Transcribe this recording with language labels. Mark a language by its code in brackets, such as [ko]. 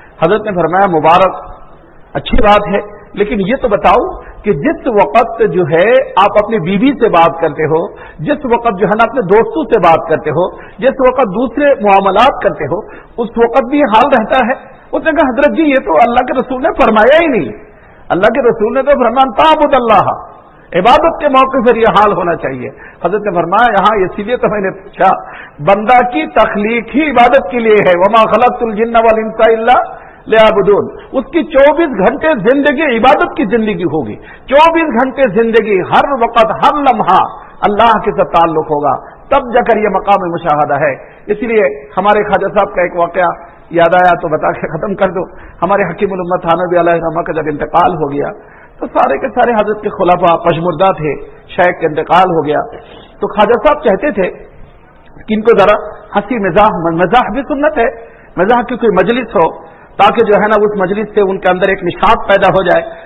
[ur] حضرت نے فرمایا مبارک, اچھی بات ہے, لیکن یہ تو بتاؤ کہ جس وقت جو ہے آپ اپنی بیوی سے بات کرتے ہو, جس وقت جو ہے نا اپنے دوستوں سے بات کرتے ہو, جس وقت دوسرے معاملات کرتے ہو, اس وقت بھی حال رہتا ہے؟ اس نے کہا حضرت جی یہ تو اللہ کے رسول نے فرمایا ہی نہیں. اللہ کے رسول نے تو فرمایا تعبد اللہ, عبادت کے موقع پر یہ حال ہونا چاہیے. حضرت نے فرمایا یہاں اسی لیے تو میں نے پوچھا, بندہ کی تخلیق ہی عبادت کے لیے ہے. [ar] وما خلقت الجن والانس الا لیعبدون. [ur] اس کی چوبیس گھنٹے زندگی عبادت کی زندگی ہوگی, چوبیس گھنٹے زندگی ہر وقت ہر لمحہ اللہ کے ساتھ تعلق ہوگا, تب جا کر یہ مقام مشاہدہ ہے. اس لیے ہمارے خواجہ صاحب کا ایک واقعہ یاد آیا تو بتا کے ختم کر دو. ہمارے حکیم الامت تھانوی علیہ رحمہ کا جب انتقال ہو گیا تو سارے کے سارے حضرت کے خلفاء پشمردہ تھے, شیخ کا انتقال ہو گیا تو خواجہ صاحب کہتے تھے کہ ان کو ذرا ہنسی مزاح, مزاح بھی سنت ہے, مزاح کی کوئی مجلس ہو تاکہ جو ہے نا اس مجلس سے ان کے اندر ایک نشاط پیدا ہو جائے.